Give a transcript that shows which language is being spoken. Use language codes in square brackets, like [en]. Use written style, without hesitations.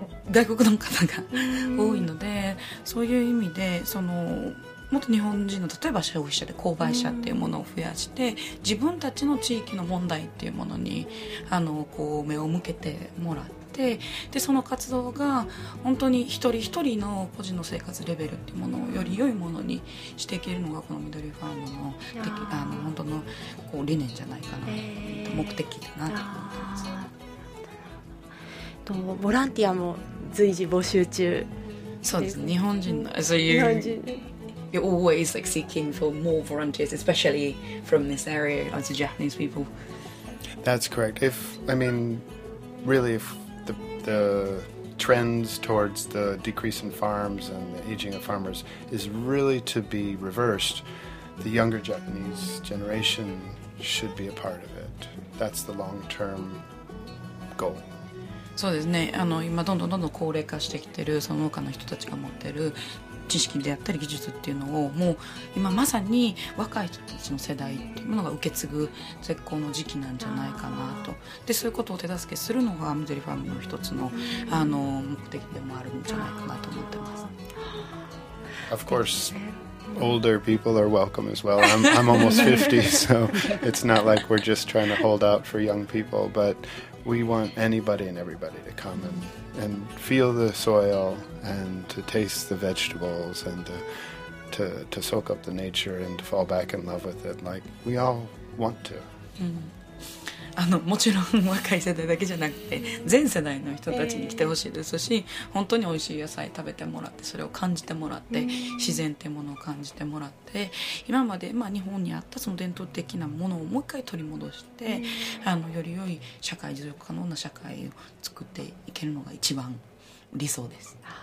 [ja] 外国の方が多いので、そういう意味でそのもっと日本人の例えば消費者で購買者っていうものを増やして、自分たちの地域の問題っていうものにこう目を向けてもらって、でその活動が本当に一人一人の個人の生活レベルっていうものをより良いものにしていけるのがこのミドリファームの本当のこう理念じゃないかな、目的だなと思ってます。とボランティアも随時募集中。そうです、日本人の、 [en] so、you're always like seeking for more volunteers, especially from this area as a Japanese people. That's correct. If I mean really ifThe trends towards the decrease in farms and the aging of farmers is really to be reversed. The younger Japanese generation should be a part of it. That's the long-term goal. [ja] そうですね、今どんどんどんどん高齢化してきてる、その農家の人たちが持ってる知識であったり技術っていうのを、もう今まさに若い人たちの世代っていうものが受け継ぐ絶好の時期なんじゃないかなと。でそういうことを手助けするのがミドリファームの一つの、目的でもあるんじゃないかなと思ってます。 [en] Of course, older people are welcome as well. I'm almost 50, so it's not like we're just trying to hold out for young people, butWe want anybody and everybody to come and feel the soil and to taste the vegetables and to soak up the nature and to fall back in love with it. Like, we all want to.、 [ja] うん、もちろん若い世代だけじゃなくて、全世代の人たちに来てほしいですし、本当に美味しい野菜食べてもらって、それを感じてもらって、自然ってものを感じてもらって、今まで、まあ、日本にあったその伝統的なものをもう一回取り戻して、より良い社会、持続可能な社会を作っていけるのが一番理想です。